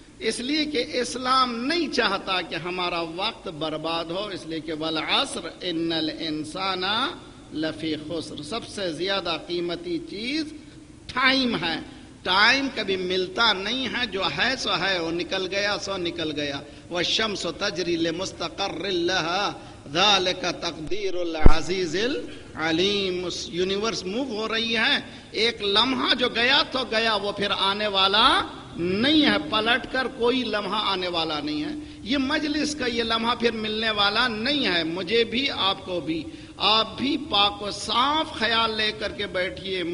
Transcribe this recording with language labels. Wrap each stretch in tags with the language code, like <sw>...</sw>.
<ur>اس لیے کہ اسلام نہیں چاہتا کہ ہمارا وقت برباد ہو. اس لیے کہ</ur> <ar>والعصر ان الانسان لفی خسر,</ar> <ur>سب سے زیادہ قیمتی چیز ٹائم ہے. ٹائم کبھی ملتا نہیں ہے, جو ہے سو ہے, وہ نکل گیا سو نکل گیا.</ur> <ar>والشمس تجری لمستقر لها ذلك تقدیر العزیز العلیم.</ar> <ur>اس یونیورس موو ہو رہی ہے, ایک لمحہ جو گیا تو گیا, وہ پھر آنے والا نہیں ہے. پلٹ کر کوئی لمحہ آنے والا نہیں ہے. یہ مجلس کا یہ لمحہ پھر ملنے والا نہیں ہے, مجھے بھی آپ کو بھی. آپ بھی پاک و صاف خیال لے کر کے بیٹھیے.</ur>